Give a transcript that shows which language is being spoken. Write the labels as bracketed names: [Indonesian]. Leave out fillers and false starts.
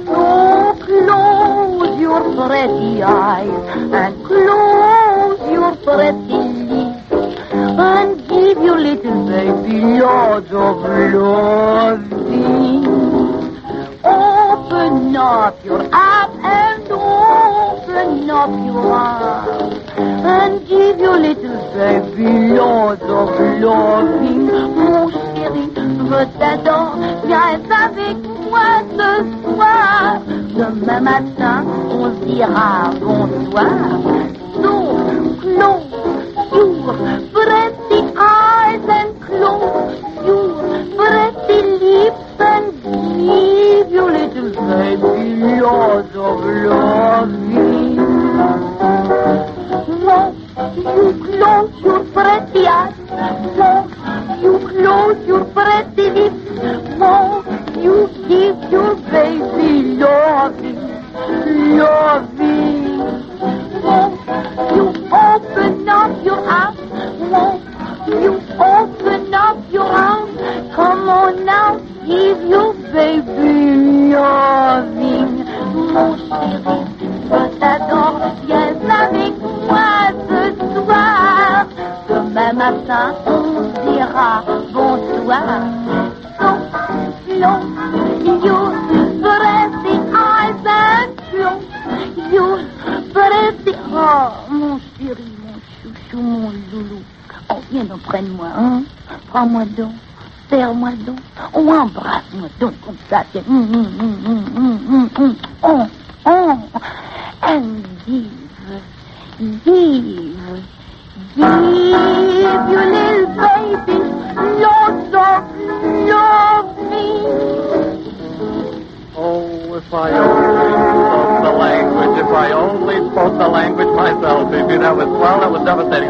[English] So close your pretty eyes and close your pretty lips and give your little baby loads of loving. Open up your app and open up your arm and give your little baby loads of loving. [French] Mon chéri, je t'adore, viens être avec moi ce soir. Demain matin, on dira bonsoir. [English] So, close your pretty eyes and close your pretty lips and give your little baby loads of loving. So, you close your pretty eyes. So, you close your pretty lips. So, you give your baby loving, loving. Won't you open up your arms? Won't you open up your arms? Come on now, give your baby loving. [French] Mon chéri, je t'adore, viens avec moi ce soir. Demain matin, on dira bonsoir. [English] So close your pretty eyes and close your pretty... [French] Oh, mon chéri, mon chouchou, mon loulou. Oh, viens donc, prenne-moi, hein. Prends-moi donc, serre-moi donc. Oh, embrasse-moi donc, comme ça, tiens. [English] Oh, oh, and give, give, give your little baby lots of loving. Oh, if I only spoke the language, if I only spoke the language myself, if you know it well, that was devastating.